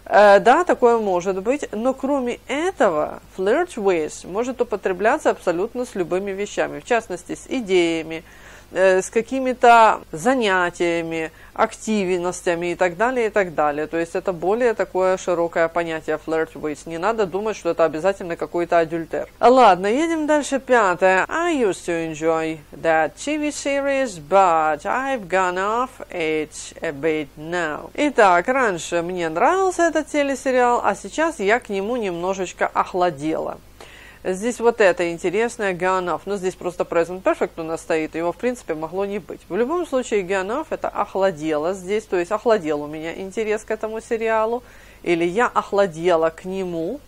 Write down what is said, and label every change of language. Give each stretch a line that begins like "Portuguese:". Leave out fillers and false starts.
Russian: Да, такое может быть, но кроме этого, flirt with может употребляться абсолютно с любыми вещами, в частности, с идеями, с какими-то занятиями, активностями и так далее, и так далее. То есть это более такое широкое понятие flirt with. Не надо думать, что это обязательно какой-то адюльтер. Ладно, едем дальше. Пятое.
English: I used to enjoy that TV series, but I've gone off it a bit now.
Russian: Итак, раньше мне нравился этот телесериал, а сейчас я к нему немножечко охладела. Здесь вот это интересное, gone off. Но здесь просто present perfect у нас стоит, его в принципе могло не быть. В любом случае, gone off это охладело здесь, то есть охладел у меня интерес к этому сериалу, или я охладела к нему.